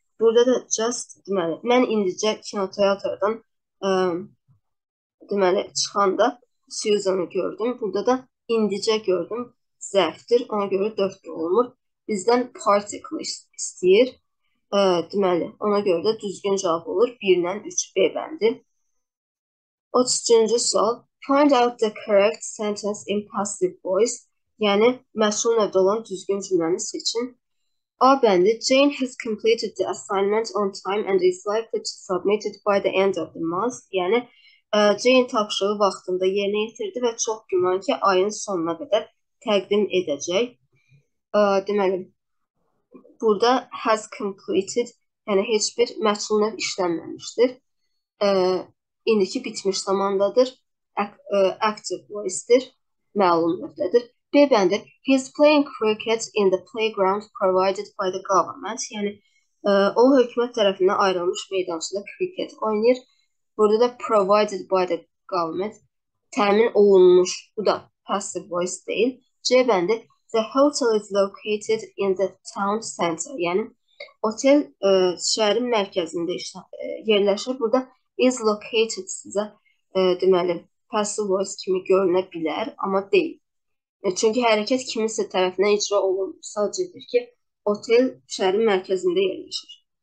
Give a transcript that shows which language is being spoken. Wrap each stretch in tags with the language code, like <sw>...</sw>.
<az>Burada da just, deməli, mən indicə kinoteatrdan deməli, çıxanda Susan'ı gördüm. Burada da indicə gördüm, zərfdir. Ona görə 4 olmur. Bizdən particle istəyir. Deməli, ona görə də düzgün cavab olur. 1-dən 3 B bəndi. 33-cü sual.</az> <en>Find out the correct sentence in passive voice.</en> <az>Yəni, məşğul növdə olan düzgün cümləni seçin.</az> <en>A bəndi, Jane has completed the assignment on time and is likely to submit it by the end of the month.</en> <az>Yəni, Jane tapşırığı vaxtında yerinə yetirdi və çox güman ki, ayın sonuna qədər təqdim edəcək. Deməli, burada has completed, yəni heç bir məşğul növ işlənməmişdir. İndiki bitmiş zamandadır, active voice-dir, məlum növdədir.</az> <en>B bəndi, he's playing cricket in the playground provided by the government.</en> <az>Yəni, o hökumət tərəfindən ayrılmış meydançada cricket oynayır. Burada da</az> <en>provided by the government,</en> <az>təmin olunmuş, bu da passive voice deyil.</az> <en>C bəndi, the hotel is located in the town center.</en> <az>Yəni, otel şəhərin mərkəzində yerləşir. Burada is located sizə, deməli, passive voice kimi görünə bilər, amma deyil. Çünki hərəkət kiminsə tərəfindən icra olunmuş, sadəcə deyir ki, otel şəhərin mərkəzində yerləşir.</az>